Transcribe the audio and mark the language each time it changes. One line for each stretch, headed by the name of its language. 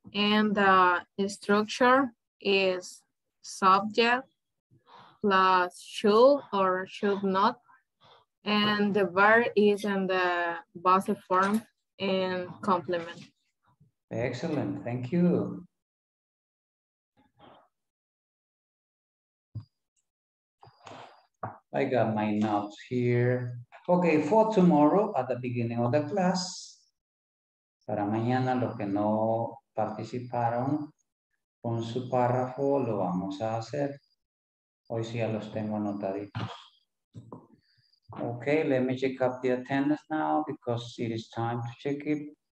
English: And the structure is subject plus should or should not, and the verb is in the base form and complement. Excellent, thank you. I got my notes here. Okay, for tomorrow at the beginning of the class.
Spanish: Para mañana, los que no participaron con su párrafo, lo vamos a hacer. Hoy sí ya los tengo anotaditos.
English: Okay, let me check up the attendance now because it is time to check it.